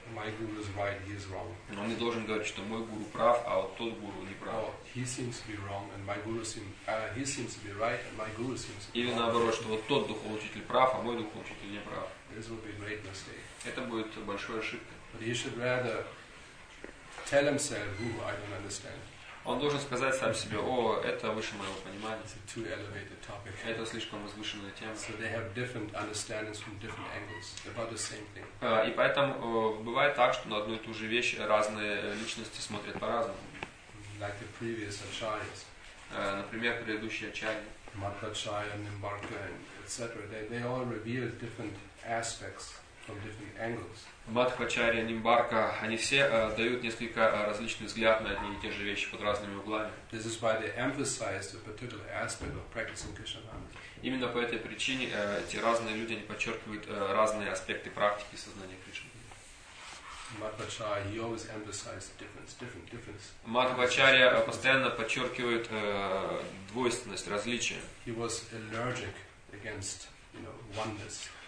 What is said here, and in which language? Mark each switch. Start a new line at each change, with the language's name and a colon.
English: My guru is right, he is wrong.
Russian: Он не должен говорить, что мой гуру прав, а вот тот гуру не прав. Или наоборот, что вот тот духовный учитель прав, а мой духовный учитель не прав.
English: This will be a great mistake.
Russian: Это будет большой ошибкой.
English: But he should rather tell himself, "Who I don't understand."
Russian: Он должен сказать сам себе: о, это выше моего понимания.
English: It's a too elevated topic.
Russian: Это слишком возвышенная тема.
English: So they have different understandings from different angles about the same thing.
Russian: И поэтому бывает так, что на одну и ту же вещь разные личности смотрят по-разному.
English: Like the previous acharyas.
Russian: Например, предыдущие ачарьи.
English: Madhvacharya, Nimbarka, etc. They all reveal different aspects from different angles.
Russian: Мадхвачарья, Нимбарка, они все дают несколько различных взглядов на одни и те же вещи под разными углами.
English: This is why they emphasize the particular aspect of practicing Krishna consciousness.
Russian: Именно по этой причине эти разные люди они подчеркивают разные аспекты практики сознания Кришны.
English: Мадхвачарья, he always emphasizes difference.
Russian: Мадхвачарья постоянно подчеркивает двойственность, различие.
English: He was allergic against, you know, oneness.